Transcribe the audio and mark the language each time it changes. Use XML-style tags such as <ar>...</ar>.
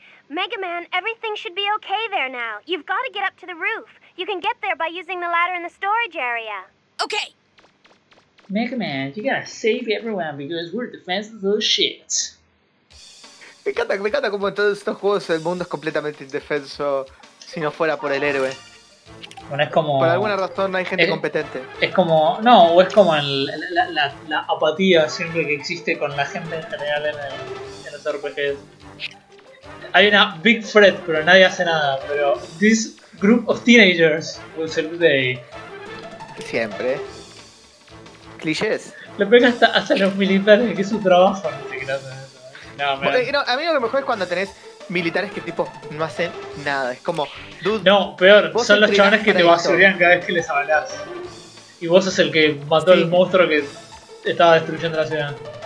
<en>Mega Man, everything should be okay there now. You've got to get up to the roof. You can get there by using the ladder in the storage area. Okay. Mega Man, you gotta save everyone because we're defenseless little shit.</en> <es>Me encanta como en todos estos juegos el mundo es completamente indefenso si no fuera por el héroe. Bueno, es como. Por alguna razón no hay gente competente. Es como. No, o es como la apatía siempre que existe con la gente en general en los RPGs. Hay una big threat, pero nadie hace nada. Pero.</es> <en>This group of teenagers will save the day.</en> <es>Siempre. Clichés. Le pega hasta los militares, que es su trabajo, no sé qué hacen. No, a mí lo que mejor es cuando tenés militares que tipo no hacen nada, es como dude, no, peor, son los chavales que te basurean cada vez que les hablas. Y vos es el que mató al monstruo que estaba destruyendo la ciudad.</es>